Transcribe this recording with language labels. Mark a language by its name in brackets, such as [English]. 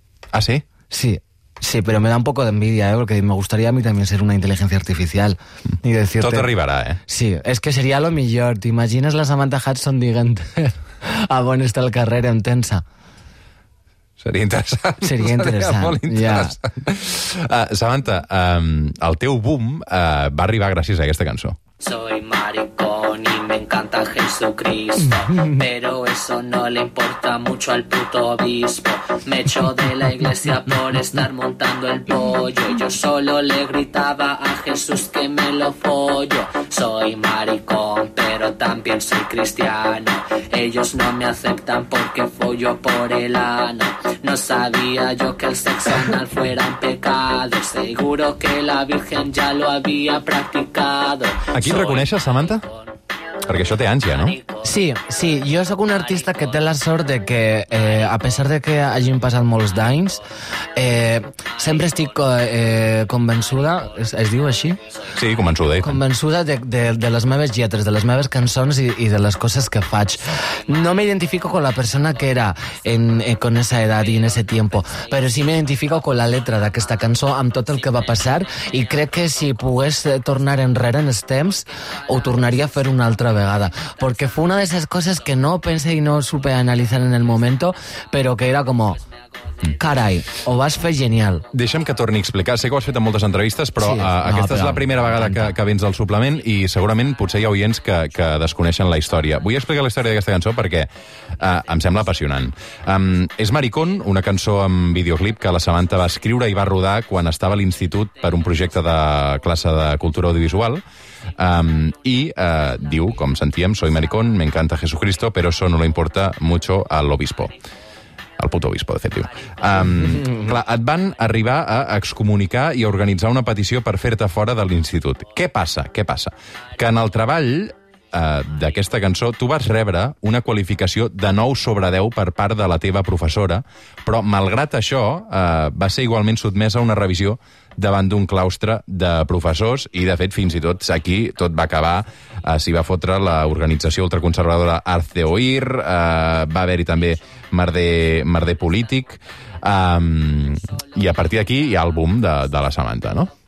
[Spanish] ¿Ah, sí? Sí, pero me da un poco de envidia, ¿eh? Porque me gustaría a mí también ser una inteligencia artificial. Y decirte... Todo te arribará, ¿eh? Sí, es que sería lo mejor. ¿Te imaginas la Samantha Hudson diciendo a Bon está el carrer en tensa? [Catalan] Seria interessant. Seria interessant. Seria molt interessant. [English] Yeah. [Catalan] Samantha, el teu boom va arribar gràcies a aquesta cançó. [Spanish] Soy maricón y me encanta Jesucristo, pero eso no le importa mucho al puto obispo. Me echó de la iglesia por estar montando el pollo y yo solo le gritaba a Jesús que me lo follo. Soy maricón, pero también soy cristiano. Ellos no me aceptan porque follo por el ano. No sabía yo que el sexo anal fuera un pecado. Seguro que la Virgen ya lo había practicado. [Catalan] Aquí et reconeixes, Samantha? Perquè això té anys ja, no? Sí, jo sóc un artista que té la sort de que, a pesar de que hagin passat molts d'anys, sempre estic convençuda, es diu així? Sí, convençuda. Convençuda de les meves lletres, de les meves cançons i de les coses que faig. [Spanish] No m'identifico con la persona que era con esa edad y en ese tiempo, [Catalan] però sí m'identifico con la letra d'aquesta cançó, amb tot el que va passar, i crec que si pogués tornar enrere en els temps, ho tornaria a fer una altra vegada, [Spanish] porque fue una de esas cosas que no pensé y no supe analizar en el momento, pero que era como [Catalan] carai, ho vas fer genial. Deixa'm que torni a explicar, sé que ho has fet en moltes entrevistes, però sí, aquesta però és la primera vegada que vens al suplement i segurament potser hi ha oients que desconeixen la història. Vull explicar la història d'aquesta cançó perquè em sembla apassionant. És Maricón, una cançó amb videoclip que la Samantha va escriure i va rodar quan estava a l'institut per un projecte de classe de cultura audiovisual. Diu, com sentíem, [Spanish] soy maricón, me encanta Jesucristo, pero eso no le importa mucho al obispo. [Catalan] Al puto obispo, de fet, diu. Clar, et van arribar a excomunicar i a organitzar una petició per fer-te fora de l'institut. Què passa? Que en el treball d'aquesta cançó tu vas rebre una qualificació de 9 sobre 10 per part de la teva professora, però malgrat això va ser igualment sotmesa a una revisió davant d'un claustre de professors i, de fet, fins i tot aquí tot va acabar, s'hi va fotre l'organització ultraconservadora Arts de Oir, va haver-hi també merder polític, i a partir d'aquí hi ha el boom de la Samantha, no?